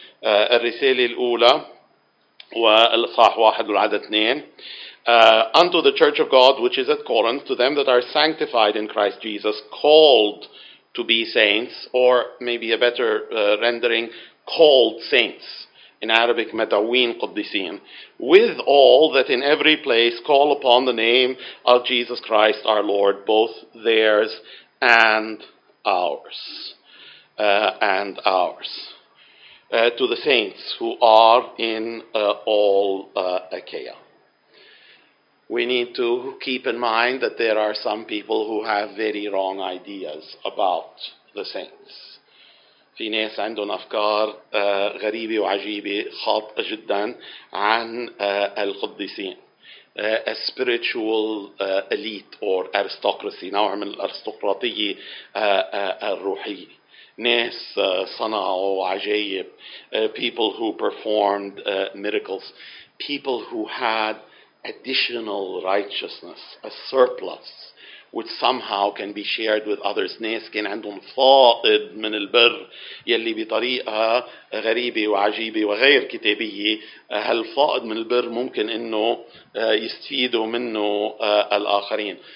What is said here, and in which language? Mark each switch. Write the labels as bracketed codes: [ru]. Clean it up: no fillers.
[ar] الرسالة الأولى والإصحاح 1 والعدد 2. [en] unto the church of God which is at Corinth, to them that are sanctified in Christ Jesus, called to be saints, or maybe a better rendering, called saints. In Arabic, [ar] Metawin Qaddisin, [en] with all that in every place call upon the name of Jesus Christ our Lord, both theirs and ours. To the saints who are in all Achaia. We need to keep in mind that there are some people who have very wrong ideas about the saints. [ar] في ناس عندهم أفكار غريبة وعجيبة خاطئة جدا عن القديسين. [en] A spiritual elite or aristocracy, [ar] نوع من الأرستقراطية الروحية. ناس صنعوا عجائب. [en] People who performed miracles. People who had additional righteousness, a surplus, which somehow can be shared with others. [ar] ناس كان عندهم فائض من البر يلي بطريقة غريبة وعجيبة وغير كتابية هالفائض من البر ممكن انه يستفيدوا منه الآخرين.